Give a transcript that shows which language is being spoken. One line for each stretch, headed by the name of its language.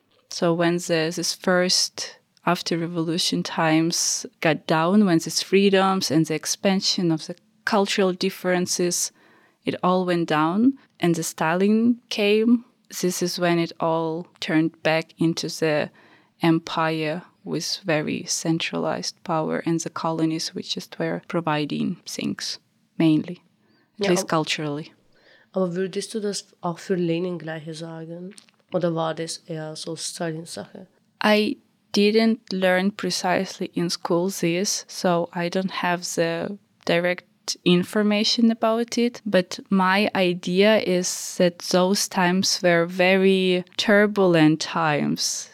English: So when this first, after revolution times got down, when these freedoms and the expansion of the cultural differences, it all went down and the Stalin came. This is when it all turned back into the empire with very centralized power and the colonies, which just were providing things mainly, at least culturally.
German: Aber würdest du das auch für Lenin gleiche sagen? Oder war das eher so Stalin-Sache?
English: I didn't learn precisely in school this, so I don't have the direct information about it. But my idea is that those times were very turbulent times.